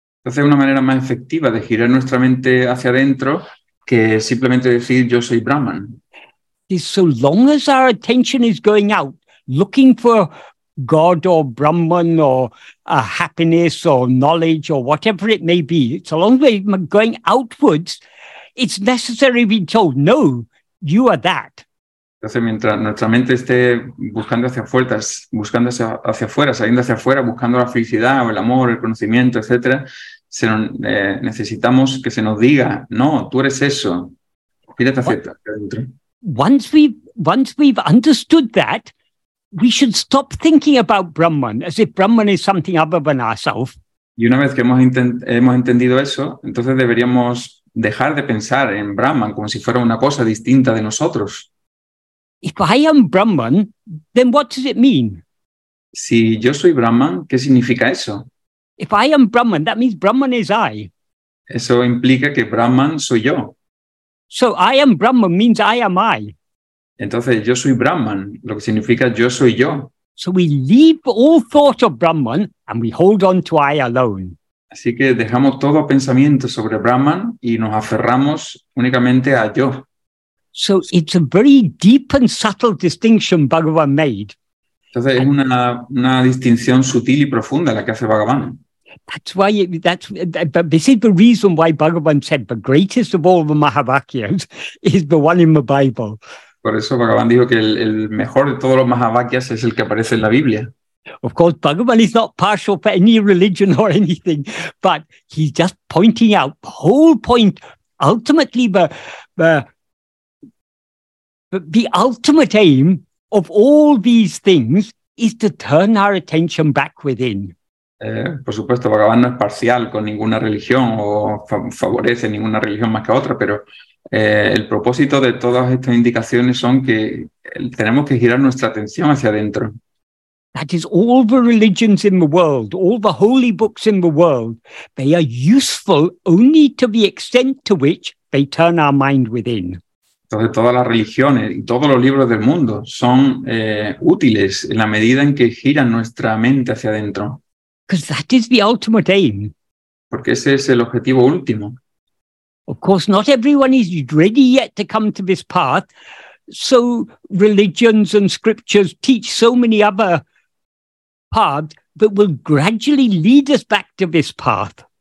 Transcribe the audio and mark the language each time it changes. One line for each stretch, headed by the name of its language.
Spanish: Entonces, una manera más efectiva de girar nuestra mente hacia adentro que simplemente decir yo soy Brahman.
English: Is so long as our attention is going out looking for God or Brahman or happiness or knowledge or whatever it may be, it's a long way going outwards, it's necessary to be told, no, you are that.
Spanish: Entonces, mientras nuestra mente esté buscando hacia afuera, saliendo hacia afuera, buscando la felicidad o el amor, el conocimiento, etc., necesitamos que se nos diga, no, tú eres eso, gírate hacia adentro.
English: Once we've understood that, we should stop thinking about Brahman as if Brahman is something other than ourselves.
Spanish: Y una vez que hemos entendido eso, entonces deberíamos dejar de pensar en Brahman como si fuera una cosa distinta de nosotros.
English: If I am Brahman, then what does it mean?
Spanish: Si yo soy Brahman, ¿qué significa eso?
English: If I am Brahman, that means Brahman is I.
Spanish: Eso implica que Brahman soy yo.
English: So I am Brahman means I am I.
Spanish: Entonces yo soy Brahman, lo que significa yo soy yo.
English: So we leave all thought of Brahman and we hold on to I alone.
Spanish: Así que dejamos todo pensamiento sobre Brahman y nos aferramos únicamente a yo.
English: So it's a very deep and subtle distinction Bhagavan made.
Spanish: Entonces es una distinción sutil y profunda la que hace Bhagavan.
English: This is the reason why Bhagavan said the greatest of all the Mahavakyas is the one in the Bible.
Spanish: Por eso Bhagavan dijo que el mejor de todos los Mahavakyas es el que aparece en la Biblia.
English: Of course, Bhagavan is not partial for any religion or anything, but he's just pointing out the whole point, ultimately the ultimate aim of all these things is to turn our attention back within.
Spanish: Por supuesto, Bhagavan no es parcial con ninguna religión o favorece ninguna religión más que otra, pero el propósito de todas estas indicaciones son que tenemos que girar nuestra atención hacia adentro.
English: That is all the religions in the world, all the holy books in the world, they are useful only to the extent to which they turn our mind within.
Spanish: Entonces, todas las religiones y todos los libros del mundo son útiles en la medida en que giran nuestra mente hacia adentro.
English: Because that is the ultimate aim.
Spanish: Porque ese es el objetivo último.
English: Of course, not everyone is ready yet to come to this path. So religions and scriptures teach so many other paths that will gradually lead us back to this path.